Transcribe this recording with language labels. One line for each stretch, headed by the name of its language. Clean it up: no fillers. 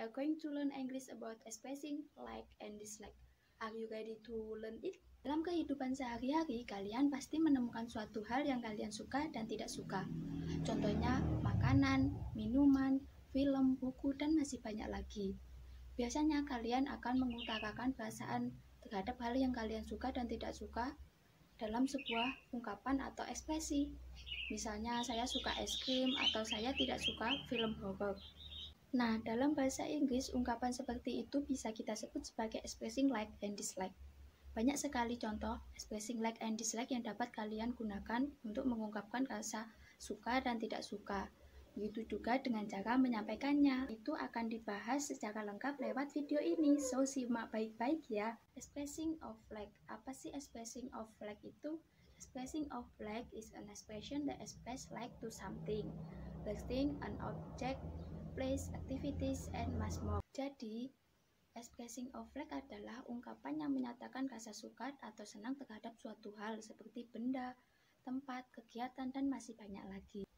English: We are going to learn English about expressing like and dislike. Are you ready to learn it?
Indonesian: Dalam kehidupan sehari-hari, kalian pasti menemukan suatu hal yang kalian suka dan tidak suka. Contohnya, makanan, minuman, film, buku, dan masih banyak lagi. Biasanya kalian akan mengutarakan perasaan terhadap hal yang kalian suka dan tidak suka dalam sebuah ungkapan atau ekspresi. Misalnya, saya suka es krim atau saya tidak suka film horor. Nah, dalam bahasa Inggris, ungkapan seperti itu bisa kita sebut sebagai expressing like and dislike. Banyak sekali contoh expressing like and dislike yang dapat kalian gunakan untuk mengungkapkan rasa suka dan tidak suka. Begitu juga dengan cara menyampaikannya. Itu akan dibahas secara lengkap lewat video ini. So, simak baik-baik ya. Expressing of like. Apa sih expressing of like itu?
English: Expressing of like is an expression that express like to something, the thing, an object, place, activities, and much more.
Indonesian: Jadi, expressing of like adalah ungkapan yang menyatakan rasa suka atau senang terhadap suatu hal seperti benda, tempat, kegiatan, dan masih banyak lagi.